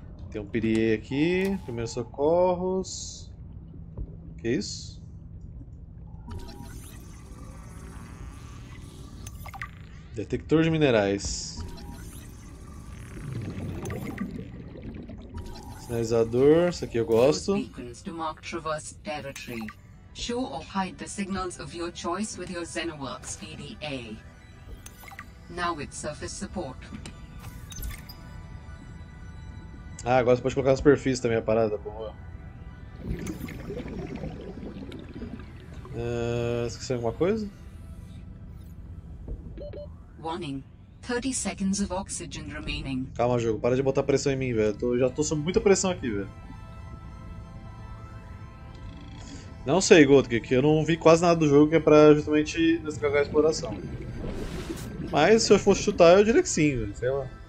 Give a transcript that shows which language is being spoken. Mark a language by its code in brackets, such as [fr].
[pt] Tem um pirie aqui, primeiros socorros. Que isso? Detector de minerais. Sinalizador, isso aqui eu gosto. [en] Beacons to mark traverse territory. Show or hide the signals of your choice with your Xenoworks PDA. Now with surface support. [pt] Ah, agora você pode colocar na superfície também a parada, boa. Esqueci alguma coisa? [en] Warning. 30 seconds of oxygen remaining. [pt] Calma, jogo, para de botar pressão em mim, velho. Já tô sob muita pressão aqui, velho. Não sei, Gotke, que eu não vi quase nada do jogo que é pra justamente descargar a exploração. Mas se eu fosse chutar, eu diria que sim, velho. Sei lá.